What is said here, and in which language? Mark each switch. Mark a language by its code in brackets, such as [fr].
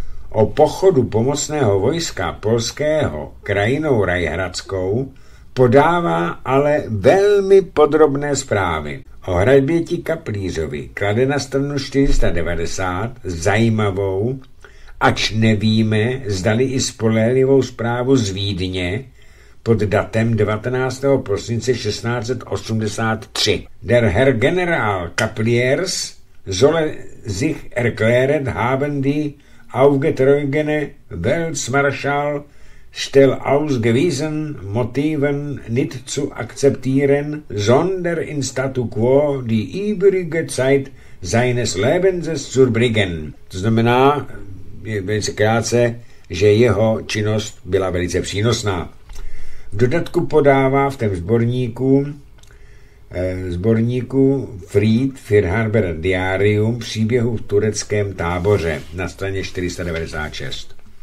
[cs] O pochodu pomocného vojska polského krajinou Rajhradskou podává ale velmi podrobné zprávy. O hraběti Kaplířovi klade na stranu 490 zajímavou, ač nevíme, zdali i spolehlivou zprávu z Vídně pod datem 19. prosince 1683. [de] Der Herr General Kapliers solle sich erklären haben die aufgetragene Weltmarschall stell ausgewiesen Motiven nicht zu akzeptieren, sondern in statu quo die übrige Zeit seines Lebens zu bringen. [cs] To znamená, je velice krátce, že jeho činnost byla velice přínosná. V dodatku podává v tom sborníku sborníku Fried Firharber Diarium příběhu v tureckém táboře na straně 496.